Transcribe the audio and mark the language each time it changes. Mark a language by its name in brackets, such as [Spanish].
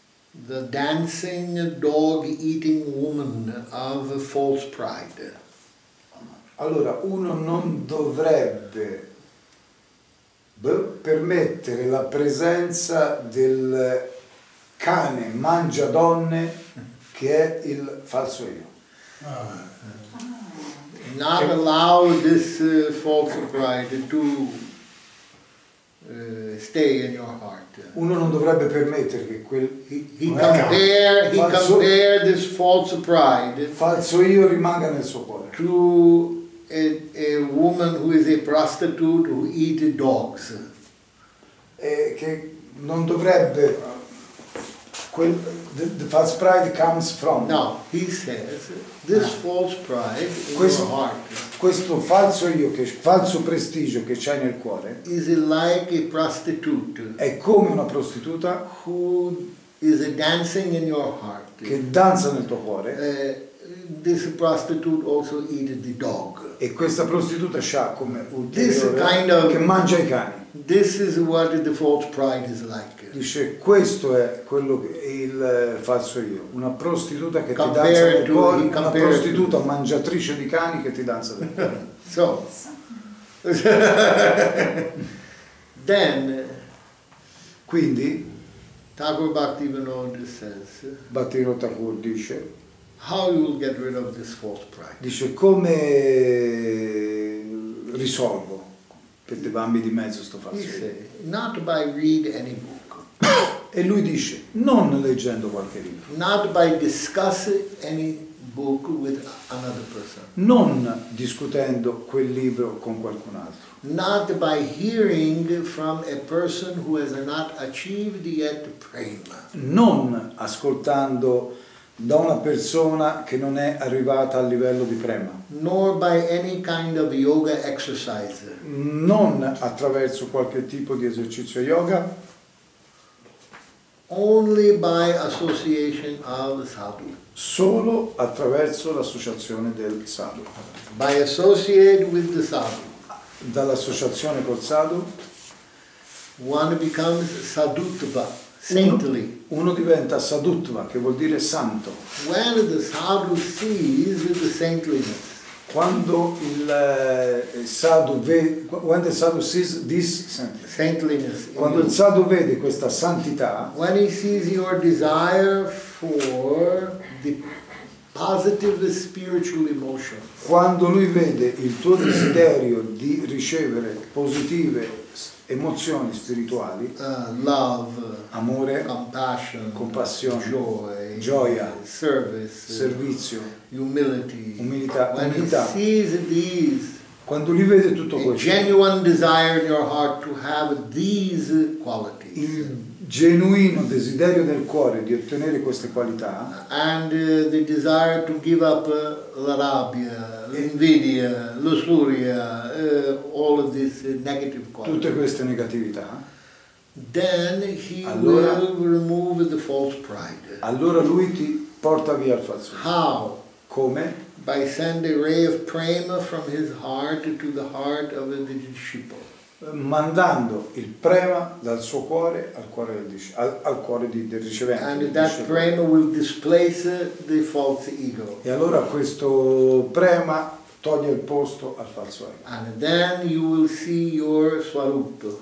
[English] the dancing dog eating woman of false pride. [Italian] Allora uno non dovrebbe permettere la presenza del cane mangia donne che è il falso io. [English] Not allow this false pride to stay in your heart. [Italian] Uno non dovrebbe permettere che quel [English] he compare this false pride, [Italian] falso io, rimanga nel suo cuore. [English] To a woman who is a prostitute who eat dogs. [Italian] E che non dovrebbe. [English] The false pride comes from. No, he says this false pride in [Italian] questo, [English] your heart. [Italian] Questo falso io, che falso prestigio che c'hai nel cuore, [English] is like a prostitute. [Italian] È come una prostituta [English] who is dancing in your heart. [Italian] Che danza nel tuo cuore. [English] This prostitute also eat the dog. [Italian] E questa prostituta c'ha come ulteriore [English] kind of, [Italian] che mangia i cani. [English] This is what the false pride is like. [Italian] Dice questo è quello che è il falso io, una prostituta che ti danza nel cuore, una prostituta mangiatrice di cani che ti danza nel cuore. [English] So then [Italian] quindi [English] Thakur Bhaktivinoda says, [Italian] Bhaktivinoda Thakur dice, [English] how you will get rid of this false pride? [Italian] Dice come risolvo per dei bambini di mezzo sto falso io. [English] Not by read any book. [Italian] E lui dice non leggendo qualche libro. [English] Not by discussing any book with another person. [Italian] Non discutendo quel libro con qualcun altro. [English] Not by hearing from a person who has not achieved yet prema. [Italian] Non ascoltando da una persona che non è arrivata al livello di prema. [English] Nor by any kind of yoga exercise. [Italian] Non attraverso qualche tipo di esercizio yoga. [English] only by association of the sadhu. [Italian] Solo attraverso l'associazione del sadhu. [English] By associate with the sadhu. [Italian] Dall'associazione col sadhu. [English] One becomes sadhutva, saintly. [Italian] Uno diventa sadhutva, che vuol dire santo. [English] When the sadhu sees the saintliness. [Italian] Quando il sadhu vede, [English] when the sadhu sees this saintliness, [Italian] quando il sadhu vede questa santità, [English] when he sees your desire for the positive spiritual emotion, [Italian] quando lui vede il tuo desiderio di ricevere positive emozioni spirituali, [English] love, [Italian] amore, [English] compassion, [Italian] compassione, [English] joy, [Italian] gioia, [English] service, [Italian] servizio, [English] humility, [Italian] umiltà, [English] when [Italian] umiltà. [English] He sees these, [Italian] quando lui vede tutto questo, [English] a genuine desire in your heart to have these qualities, [Italian] il genuino desiderio nel cuore di ottenere queste qualità, [English] and the desire to give up [Italian] la rabbia, l'invidia, lussuria, [English] all of these negative qualities, [Italian] tutte queste negatività, [English] then he [Italian] allora, [English] will remove the false pride. [Italian] Allora lui ti porta via il falso. [English] How? [Italian] Come? [English] By sending a ray of prema from his heart to the heart of the disciple. [Italian] Mandando il prema dal suo cuore al cuore del del ricevente. [English] And that prema will displace the false ego. [Italian] E allora questo prema toglie il posto al falso ego. [English] And then you will see your swarup.